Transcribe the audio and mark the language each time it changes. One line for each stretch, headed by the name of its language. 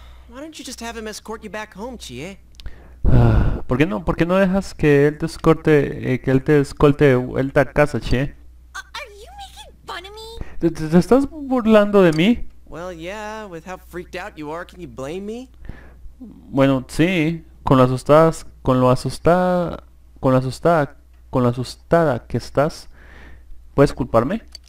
English: Why don't you just have him escort you back home, Chie?
Spanish: ¿Por qué no? ¿Por qué no dejas que él te escorte, que él te escolte de vuelta a casa, Chie?
English: Are you making fun of me?
Spanish: ¿Te estás burlando de mí?
English: Well, yeah, with how freaked out you are, can you blame me?
Spanish: Bueno, sí, con lo asustada que estás, ¿puedes culparme?